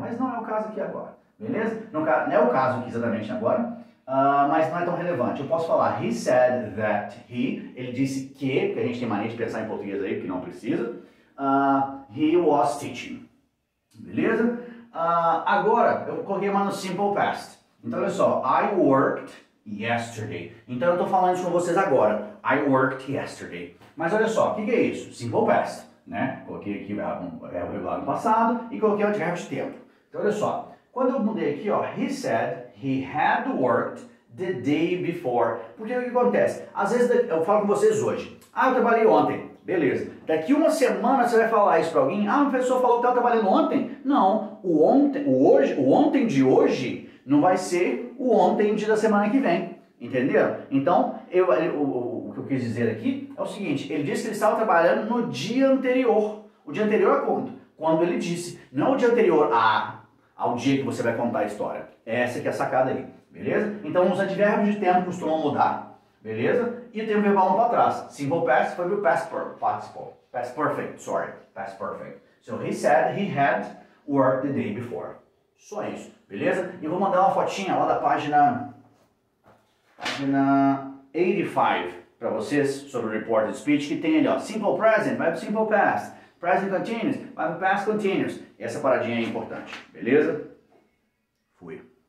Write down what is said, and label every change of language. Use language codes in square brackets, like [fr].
[pt] Mas não é o caso aqui agora. Beleza? No, não é o caso aqui exatamente agora. Mas não é tão relevante. Eu posso falar, [en] he said that he, [pt] ele disse que, porque a gente tem mania de pensar em português aí, porque não precisa. [en] He was teaching. [pt] Beleza? Agora, eu coloquei mais no simple past. Então, olha só, [en] I worked yesterday. [pt] Então, eu estou falando isso com vocês agora. [en] I worked yesterday. [pt] Mas olha só, o que que é isso? Simple past, né? Coloquei aqui o verbo regular no passado e coloquei o adverbo de tempo. Então, olha só, quando eu mudei aqui, ó, [en] he said he had worked the day before. [pt] Porque o que acontece? Às vezes eu falo com vocês hoje. Ah, eu trabalhei ontem. Beleza. Daqui uma semana você vai falar isso para alguém? Ah, uma pessoa falou que estava trabalhando ontem. Não, o ontem, o hoje, o ontem de hoje não vai ser o ontem de da semana que vem, entendeu? Então, o que eu quis dizer aqui é o seguinte, ele disse que ele estava trabalhando no dia anterior, ou O dia anterior a quando? Quando ele disse. Não o dia anterior ao dia que você vai contar a história. Essa que é a sacada aí. Beleza? Então os advérbios de tempo costumam mudar. Beleza? E o tempo verbal para trás. Simple past foi o past participle. [en] Past perfect, sorry. Past perfect. So he said he had worked the day before. [pt] Só isso. Beleza? E eu vou mandar uma fotinha lá da página... Página 85 para vocês sobre reported speech, que tem ali, ó, simple present, vai pro simple past, present continuous, vai pro past continuous. E essa paradinha é importante, beleza? Fui.